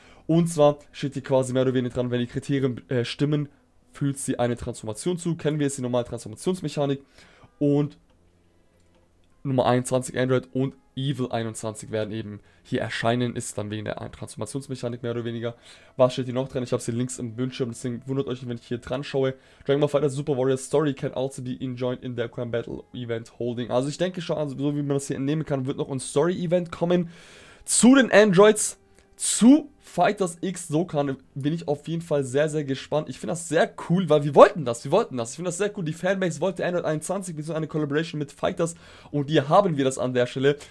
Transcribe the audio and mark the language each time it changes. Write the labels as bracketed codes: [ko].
[de] Und zwar steht hier quasi mehr oder weniger dran, wenn die Kriterien stimmen, fühlt sie eine Transformation zu, kennen wir jetzt die normale Transformationsmechanik und Nummer 21 Android und Evil 21 werden eben hier erscheinen, ist dann wegen der Transformationsmechanik mehr oder weniger. Was steht hier noch drin? Ich habe sie links im Bildschirm, deswegen wundert euch nicht, wenn ich hier dran schaue. [en] Dragon Ball Fighter Super Warrior Story can also be enjoyed in the Dokkan Battle Event Holding. [de] Also ich denke schon, also so wie man das hier entnehmen kann, wird noch ein Story Event kommen zu den Androids. Zu Fighters X Dokkan bin ich auf jeden Fall sehr, sehr gespannt. Ich finde das sehr cool, weil wir wollten das, wir wollten das. Ich finde das sehr cool. Die Fanbase wollte Android 21 mit so einer Collaboration mit Fighters und hier haben wir das an der Stelle.